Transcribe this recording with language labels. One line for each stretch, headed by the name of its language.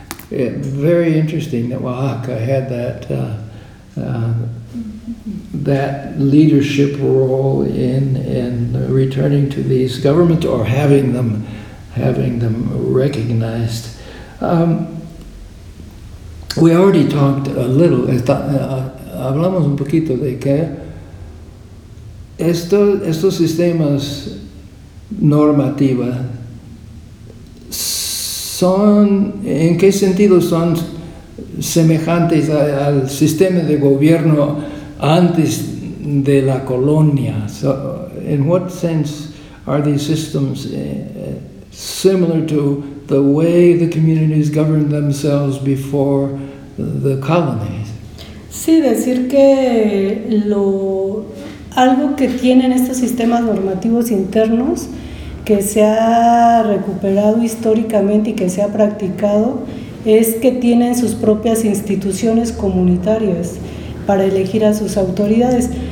English: Very interesting that Oaxaca had that that leadership role in returning to these governments or having them recognized. We already talked a little.
Spanish: Hablamos un poquito de que estos sistemas normativa son, ¿en qué sentido son semejantes al sistema de gobierno antes de la colonia?
English: So, in what sense are these systems similar to the way the communities governed themselves before the colonies?
Spanish: Sí, decir que lo algo que tienen estos sistemas normativos internos que se ha recuperado históricamente y que se ha practicado es que tienen sus propias instituciones comunitarias para elegir a sus autoridades.